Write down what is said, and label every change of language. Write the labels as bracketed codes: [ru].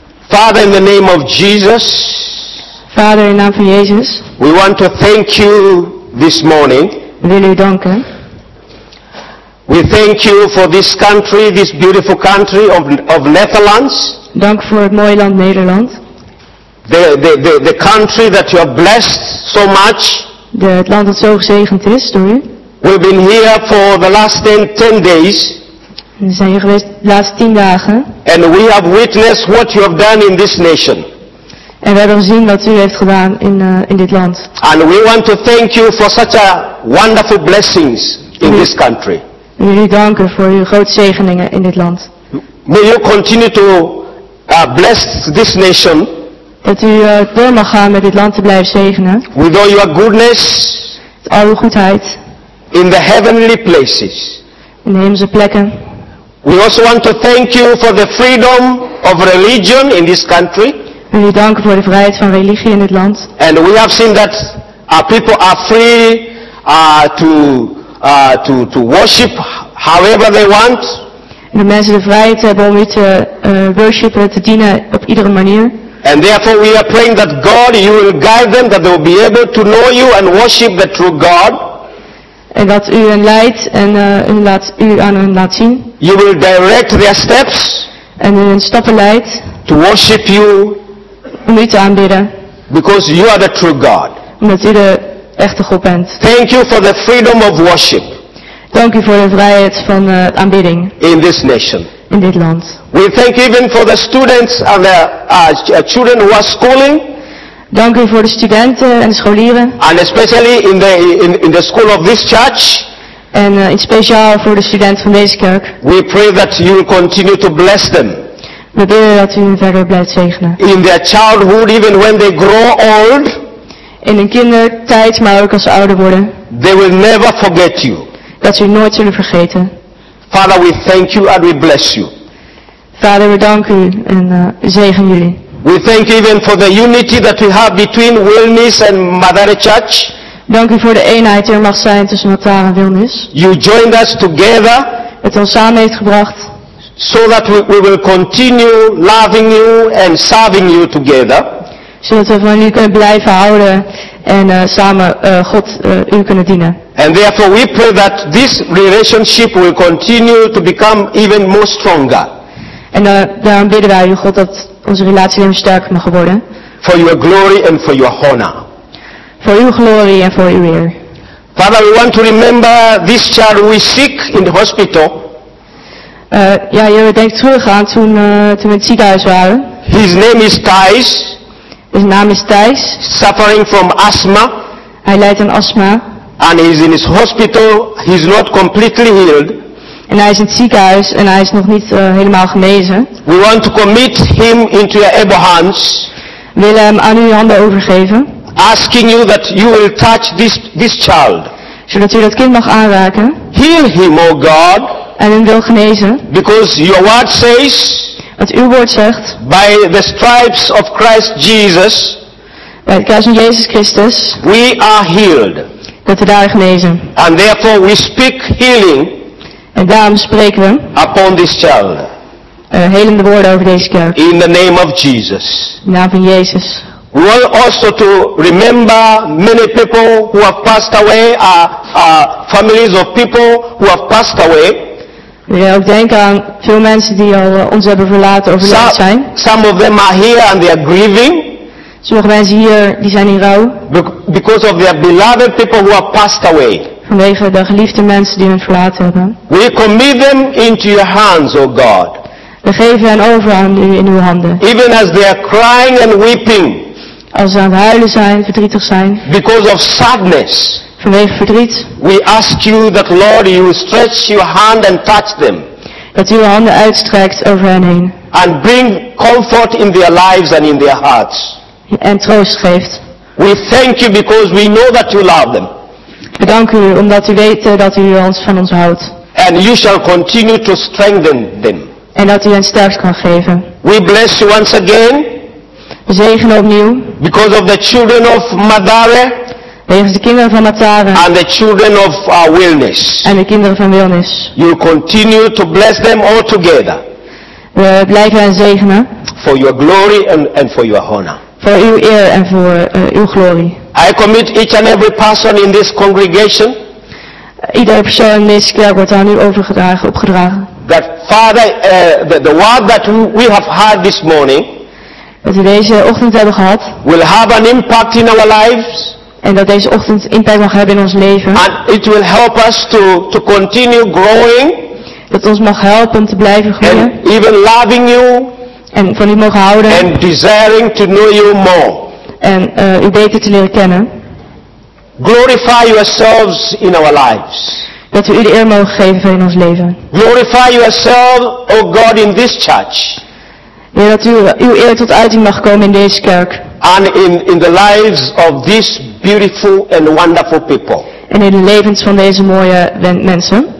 [en] Father, in the name of Jesus. [nl] Vader, in naam van Jezus. [en] We want to thank you this morning. [nl] We willen u danken. [en] We thank you for this country, this beautiful country of Netherlands. [nl] Dank voor het mooie land Nederland. [en] The country that you have blessed so much. [nl] Het land dat zo gezegend is door u. [en] We've been here for the last 10 days. [nl] We zijn hier geweest de laatste 10 dagen. [en] And we have witnessed what you have done in this nation. [nl] En we hebben gezien wat u heeft gedaan in dit land. [en] And we want to thank you for such a wonderful blessings in this country. [nl] We willen u danken voor uw grote zegeningen in dit land. [en] May you continue to bless this nation. [nl] Dat u door mag gaan met dit land te blijven zegenen. [en] With all your goodness. [nl] Met al uw goedheid. [en] In the heavenly places. [nl] In de hemelse plekken. [en] We also want to thank you for the freedom of religion in this country. [nl] We willen u danken voor de vrijheid van religie in dit land. [en] And we have seen that our people are free to worship however they want. [nl] En de mensen de vrijheid hebben om u te worshipen, te dienen op iedere manier. [en] And therefore we are praying that God, you will guide them, that they will be able to know you and worship the true God. [nl] En dat u hen leidt en u aan hen laat zien. [en] You will direct their steps. [nl] En hun stappen leidt. [en] To worship you. [nl] Om u te aanbidden. [en] Because you are the true God. [nl] Omdat u de echte God bent. [en] Thank you for the freedom of worship. [nl] Dank u voor de vrijheid van aanbidding. [en] In this nation. [nl] In dit land. [en] We thank you even for the students and the children who are schooling. [nl] Dank u voor de studenten en de scholieren. [en] And especially in the school of this church. [nl] En in speciaal voor de studenten van deze kerk. [en] We pray that you will continue to bless them. [nl] We bidden dat u hen verder blijft zegenen. [en] In their childhood, even when they grow old. [nl] In hun kindertijd, maar ook als ze ouder worden. [en] They will never forget you. [nl] Dat ze u nooit zullen vergeten. [en] Father, we thank you and we bless you. [nl] Vader, we danken u en zegen jullie. [en] We thank you even for the unity that we have between Wilnis and Madare Church. [nl] Dank u voor de eenheid die er mag zijn tussen Matara en Wilnis. [en] You joined us together. [nl] Het ons samen heeft gebracht. [en] So that we will continue loving you and serving you together. [nl] Zodat we van u kunnen blijven houden en samen God u kunnen dienen. [en] And therefore we pray that this relationship will continue to become even more stronger. [nl] En daarom bidden wij u, God, dat onze relatie weer sterker mag worden. [en] For your glory and for your honor. [nl] Voor uw glorie en voor uw eer. [en] Father, we want to remember this child who is sick in the hospital. [nl] Je denkt terug aan toen we in het ziekenhuis waren. [en] His name is Thijs. His name is Thijs. Suffering from asthma. [nl] Hij lijdt aan astma. [en] And he is in his hospital. He is not completely healed. [nl] En hij is in het ziekenhuis en hij is nog niet helemaal genezen. [en] We want to commit him into your able hands. [nl] Willen hem aan uw handen overgeven. [en] Asking you that you will touch this child. [nl] Zodat u dat kind mag aanraken. [en] Heal him, O God. [nl] En hem wil genezen. [en] Because your word says. [nl] Wat uw woord zegt. [en] By the stripes of Christ Jesus. [nl] Bij het kruis van Jezus Christus. [en] We are healed. [nl] Dat we daar genezen. [en] And therefore we speak healing. [nl] En daarom spreken we. [en] Upon this child. [nl] Helende woorden over deze kerk. [en] In the name of Jesus. [nl] In de naam van Jezus. [en] We want also to remember many people who have passed away, families of people who have passed away. [nl] We willen ook denken aan veel mensen die al ons hebben verlaten, overleden zijn. [en] Some of them are here and they are grieving. [nl] Sommige mensen hier, die zijn in rouw. [en] Because of their beloved people who have passed away. [nl] Vanwege de geliefde mensen die hun verlaten hebben. [en] We commit them into your hands, O God. [nl] We geven hen over aan u in uw handen. [en] Even as they are crying and weeping. [nl] Als ze aan het huilen zijn, verdrietig zijn. [en] Because of sadness. [nl] Vanwege verdriet. [en] We ask you that Lord, you stretch your hand and touch them. [nl] Dat u uw handen uitstrekt over hen heen. [en] And bring comfort in their lives and in their hearts. [nl] En troost geeft. [en] We thank you because we know that you love them. [nl] Bedank u omdat u weet dat u ons van ons houdt. [en] And you shall continue to strengthen them. [nl] En dat u hen sterk kan geven. [en] We bless you once again. [nl] We zegenen opnieuw. [en] Because of the children of Madare. [nl] Wegens de kinderen van Matare. [en] And the children of our wilderness. [nl] En de kinderen van wilderness. [en] You continue to bless them all together. [nl] We blijven hen zegenen. [en] For your glory and for your honor. [nl] Voor uw eer en voor uw glorie. [en] I commit each and every person in this congregation. [nl] Iedere persoon in deze kerk wordt aan u overgedragen, opgedragen. [en] That Father, the word that we have heard this morning. [nl] Dat we deze ochtend hebben gehad. [en] Will have an impact in our lives. [nl] En dat deze ochtend impact mag hebben in ons leven. [en] And it will help us to continue growing. [nl] Dat ons mag helpen te blijven groeien. [en] And even loving you. [nl] En van u mogen houden. [en] And desiring to know you more. [nl] En u beter te leren kennen. [en] Glorify yourselves in our lives. [nl] Dat we u de eer mogen geven van in ons leven. [en] Glorify yourself, O God, in this church. [nl] Heer, dat uw eer tot uiting mag komen in deze kerk. [en] And in the lives of these beautiful and wonderful people. [nl] En in de levens van deze mooie mensen.